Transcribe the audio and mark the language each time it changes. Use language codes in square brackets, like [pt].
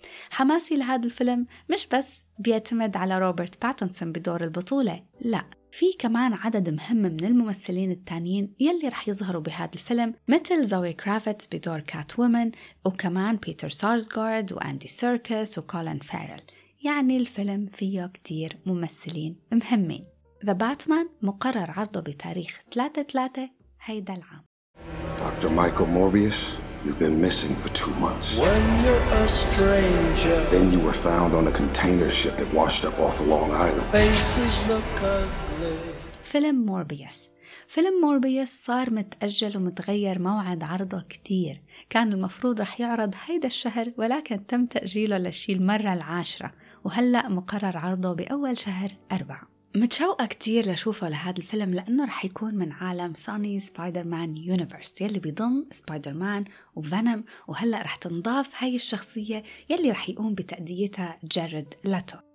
[ar] حماسي لهذا الفيلم مش بس بيعتمد على روبرت باتنسون بدور البطولة، لا، في كمان عدد مهم من الممثلين التانيين يلي رح يظهروا بهذا الفيلم، مثل زوي كرافتس بدور كات وومن، وكمان بيتر سارسغارد وأندي سيركس وكولين فارل. يعني الفيلم فيه كتير ممثلين مهمين. The Batman مقرر عرضه بتاريخ 3/3 هيدا العام. [en] Dr. Michael Morbius, you've been missing for 2 months. When you're a stranger. Then you were found on a container ship that washed up off of Long Island. Faces look ugly. [ar] فيلم موربيوس. فيلم موربيوس صار متأجل ومتغير موعد عرضه كتير. كان المفروض رح يعرض هيدا الشهر ولكن تم تأجيله للشي المرة العاشرة، وهلأ مقرر عرضه بأول شهر 4. متشوقة كتير لشوفه لهذا الفيلم لأنه رح يكون من عالم سوني سبايدر مان يونيفرس يلي بيضم سبايدر مان وفنم، وهلأ رح تنضاف هاي الشخصية يلي رح يقوم بتأديتها جارد لاتو.